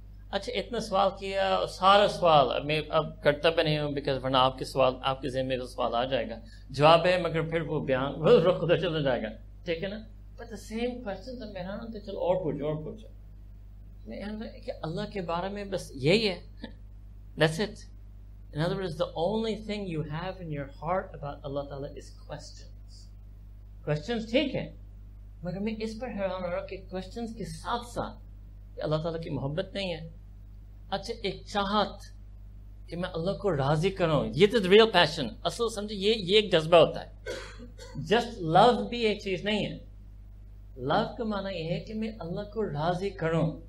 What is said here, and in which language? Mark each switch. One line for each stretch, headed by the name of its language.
Urdu: اچھا اتنا سوال کیا, سارا سوال میں اب کرتا بھی نہیں ہوں, بیکاز ورنہ آپ کے سوال, آپ کے ذہن میں تو سوال آ جائے گا, جواب ہے, مگر پھر وہ بیان رخ ادھر چلا جائے گا, ٹھیک ہے نا.
English: but the same questions
Urdu: اب میرا نام, تو چلو اور پوچھو اور پوچھو. میں کہ اللہ کے بارے میں بس یہی ہے,
English: That's it. In other words, the only thing you have in your heart about Allah Ta'ala is questions.
Urdu: Questions, ٹھیک ہے, مگر میں اس پر حیران ہو رہا ہوں کہ questions کے ساتھ ساتھ اللہ تعالیٰ کی محبت نہیں ہے. اچھا ایک چاہت کہ میں اللہ کو راضی کروں, یہ تو ریئل پیشن, اصل سمجھے, یہ ایک جذبہ ہوتا ہے.
English: just love
Urdu: بھی ایک چیز نہیں ہے. لو کا معنی یہ ہے کہ میں اللہ کو راضی کروں.